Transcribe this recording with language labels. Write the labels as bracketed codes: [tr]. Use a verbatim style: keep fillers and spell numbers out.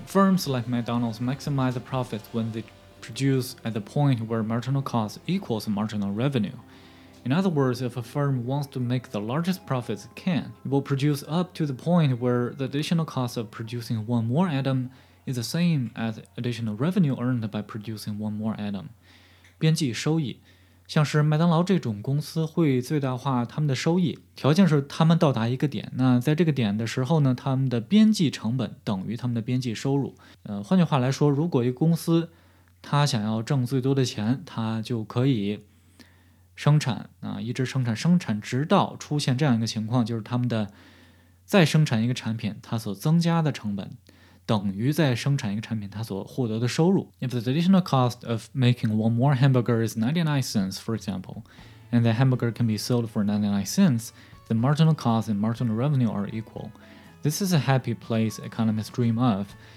[en] Firms like McDonald's maximize the profits when they produce at the point where marginal cost equals marginal revenue. In other words, if a firm wants to make the largest profits it can, it will produce up to the point where the additional cost of producing one more item is the same as additional revenue earned by producing one more item. [zh] 边际收益，像是麦当劳这种公司会最大化他们的收益，条件是他们到达一个点，那在这个点的时候呢，他们的边际成本等于他们的边际收入。呃，换句话来说，如果一个公司他想要挣最多的钱，他就可以生产、啊、一直生产生产直到出现这样一个情况，就是他们的再生产一个产品它所增加的成本等于再生产一个产品它所获得的收入。 [en] If the additional cost of making one more hamburger is ninety-nine cents, for example, and the hamburger can be sold for ninety-nine cents, the marginal cost and marginal revenue are equal. This is a happy place economists dream of.